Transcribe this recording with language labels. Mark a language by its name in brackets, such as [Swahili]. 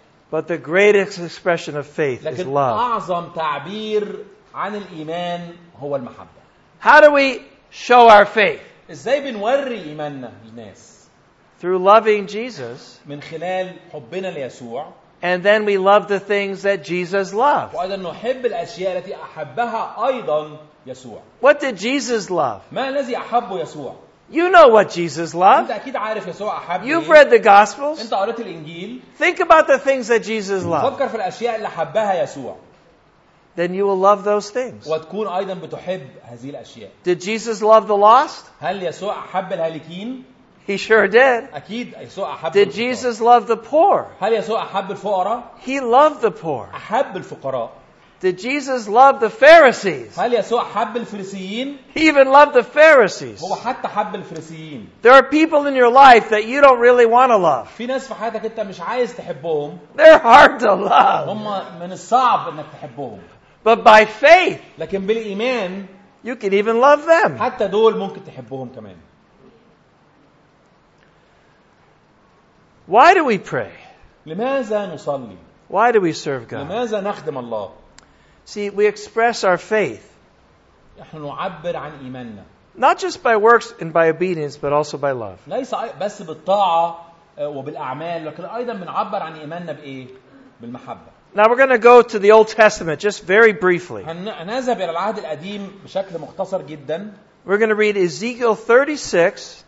[English] But the greatest expression of faith is love. [Arabic] أعظم تعبير عن الإيمان هو المحبة. [English] How do we show our faith? [Arabic] إزاي بنوري إيماننا للناس? [English] Through loving Jesus. [Arabic] من خلال حبنا ليسوع. [English] And then we love the things that Jesus loved. [Arabic] وأيضا نحب الأشياء التي أحبها أيضا يسوع. [English] What did Jesus love? [Arabic] ما الذي أحبه يسوع? [English] You know what Jesus loved. [Arabic] أنت أكيد عارف يسوع أحب. [English] You've read the Gospels. [Arabic] أنت قرأت الإنجيل. [English] Think about the things that Jesus loved. [Arabic] فكر في الأشياء اللي حبها يسوع. [English] Then you will love those things. [Arabic] وتكون أيضا بتحب هذه الأشياء. [English] Did Jesus love the lost? [Arabic] هل يسوع أحب الهالكين? [English] He sure did. [Arabic] أكيد يسوع أحب. [English] Did Jesus love the poor? [Arabic] هل يسوع أحب الفقراء? [English] He loved the poor. [Arabic] أحب الفقراء. [English] Did Jesus love the Pharisees? [Arabic] هل يسوع حب الفريسيين? [English] He even loved the Pharisees. [Arabic] هو حتى حب الفريسيين. [English] There are people in your life that you don't really want to love. [Arabic] في ناس في حياتك انت مش عايز تحبهم. [English] They're hard to love. [Arabic] هم من الصعب انك تحبهم. [English] But by faith, [Arabic] لكن بالإيمان, [English] you can even love them. [Arabic] حتى دول ممكن تحبهم كمان. [English] Why do we pray? [Arabic] لماذا نصلي? [English] Why do we serve God? [Arabic] لماذا نخدم الله? [English] See, we express our faith. [Arabic] نحن نعبر عن إيماننا. [English] Not just by works and by obedience, but also by love. [Arabic] ليس بس بالطاعة وبالأعمال، لكن أيضا بنعبر عن إيماننا بإيه؟ بالمحبة. [English] Now we're going to go to the Old Testament just very briefly. [Arabic] هنذهب إلى العهد القديم بشكل مختصر جدا. [English] We're going to read Ezekiel 36.